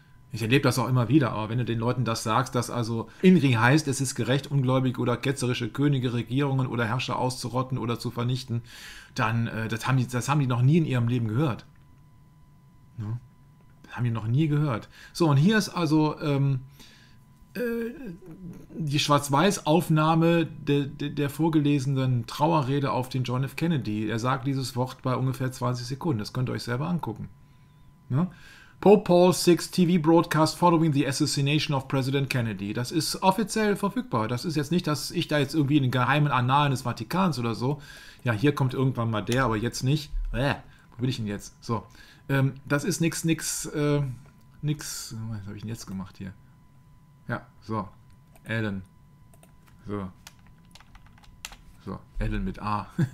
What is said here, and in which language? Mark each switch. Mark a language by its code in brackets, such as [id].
[de] Ich erlebe das auch immer wieder, aber wenn du den Leuten das sagst, dass also Inri heißt, es ist gerecht, ungläubige oder ketzerische Könige, Regierungen oder Herrscher auszurotten oder zu vernichten, dann das haben die noch nie in ihrem Leben gehört. Ja. Das haben die noch nie gehört. So, und hier ist also die Schwarz-Weiß-Aufnahme der vorgelesenen Trauerrede auf den John F. Kennedy. Er sagt dieses Wort bei ungefähr 20 Sekunden. Das könnt ihr euch selber angucken. Ja? [en] Pope Paul's Sixth TV Broadcast following the assassination of President Kennedy. [de] Das ist offiziell verfügbar. Das ist jetzt nicht, dass ich da jetzt irgendwie in den geheimen Annalen des Vatikans oder so. Ja, hier kommt irgendwann mal der, aber jetzt nicht. Wo bin ich denn jetzt? So. Das ist nix, nix, nix. Was habe ich denn jetzt gemacht hier? Ja, so. Ellen. So. So, Ellen mit A.